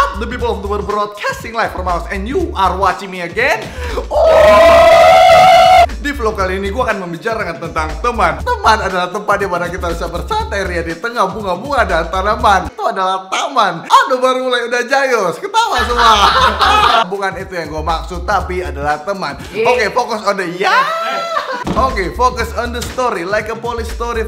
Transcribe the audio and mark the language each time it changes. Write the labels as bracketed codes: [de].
[en] people of the world broadcasting live from house, and you are watching me again. [id] Di vlog kali ini gue akan membicarakan tentang teman. Teman adalah tempat di mana kita bisa bersantai ria di tengah bunga-bunga dan tanaman. Itu adalah taman. Aduh, baru mulai udah jayus, ketawa semua. Bukan itu yang gue maksud, tapi adalah teman. [en] Oke, fokus on the focus on the story, like a police story.